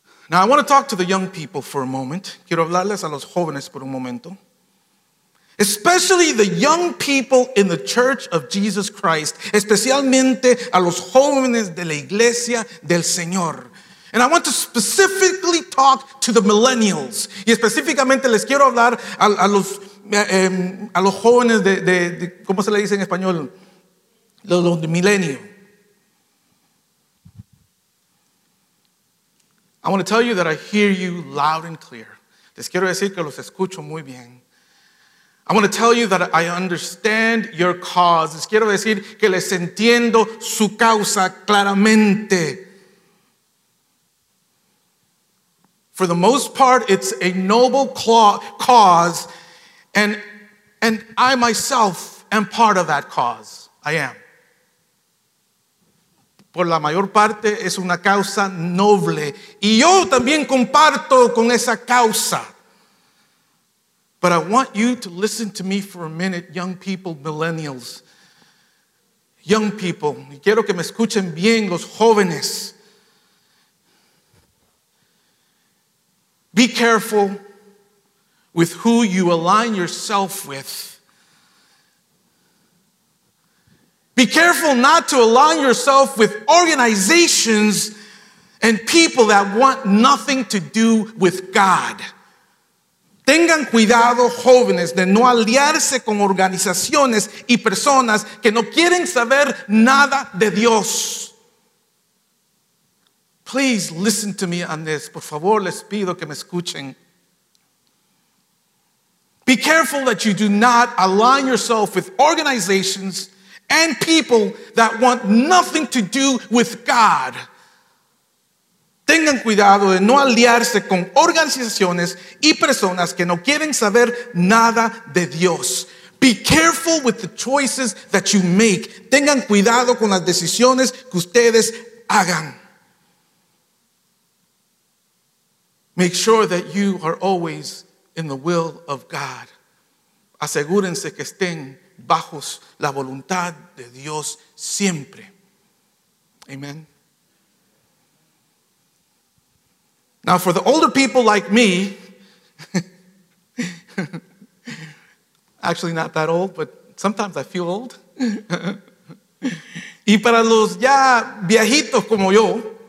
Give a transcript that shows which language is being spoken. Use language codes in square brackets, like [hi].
[en] Now I want to talk to the young people for a moment. [es] Quiero hablarles a los jóvenes por un momento. [en] Especially the young people in the Church of Jesus Christ. [es] Especialmente a los jóvenes de la Iglesia del Señor. [en] And I want to specifically talk to the millennials. [es] Y específicamente les quiero hablar a los jóvenes de ¿cómo se le dice en español? Los de milenio. [en] I want to tell you that I hear you loud and clear. [es] Les quiero decir que los escucho muy bien. [en] I want to tell you that I understand your cause. [es] Les quiero decir que les entiendo su causa claramente. [en] For the most part, it's a noble cause, and I myself am part of that cause. I am. [es] Por la mayor parte es una causa noble. Y yo también comparto con esa causa. [en] But I want you to listen to me for a minute, young people, millennials. Young people, [es] quiero que me escuchen bien los jóvenes. [en] Be careful with who you align yourself with. Be careful not to align yourself with organizations and people that want nothing to do with God. [es] Tengan cuidado, jóvenes, de no aliarse con organizaciones y personas que no quieren saber nada de Dios. [en] Please listen to me on this. [es] Por favor, les pido que me escuchen. [en] Be careful that you do not align yourself with organizations and people that want nothing to do with God. [es] Tengan cuidado de no aliarse con organizaciones y personas que no quieren saber nada de Dios. [en] Be careful with the choices that you make. [es] Tengan cuidado con las decisiones que ustedes hagan. [en] Make sure that you are always in the will of God. [es] Asegúrense que estén bajo la voluntad de Dios siempre. [en] Amen. Now for the older people like me, actually not that old, but sometimes I feel old. [es] Y para los ya viejitos como yo,